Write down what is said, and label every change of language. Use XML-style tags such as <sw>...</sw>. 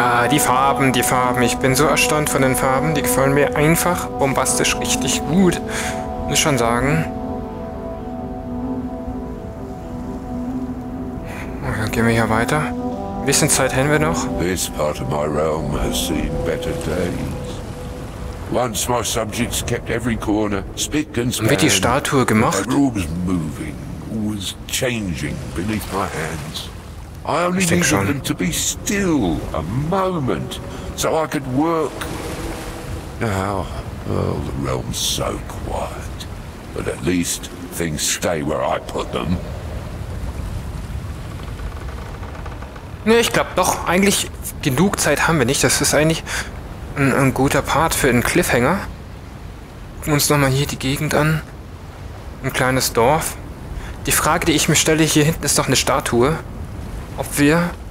<de>Die Farben. Ich bin so erstaunt von den Farben. Die gefallen mir einfach bombastisch richtig gut. Muss schon sagen. Okay, dann gehen wir hier weiter. Ein bisschen Zeit haben wir noch.</de> <en>This part of my realm has seen better days. Once my subjects kept every corner spick and span.</en> <de>Wird die Statue gemacht?</de> <en>The world was moving, was changing beneath my hands. I only needed them to be still a moment, so I could work. Now, oh, the realm's so quiet. But at least things stay where I put them.</en> <de>Nee, ich glaube doch, eigentlich genug Zeit haben wir nicht. Das ist eigentlich ein guter Part für einen Cliffhanger. gucken uns nochmal hier die Gegend an. Ein kleines Dorf. Die Frage, die ich mir stelle, hier hinten ist doch eine Statue. Ob wir...</de>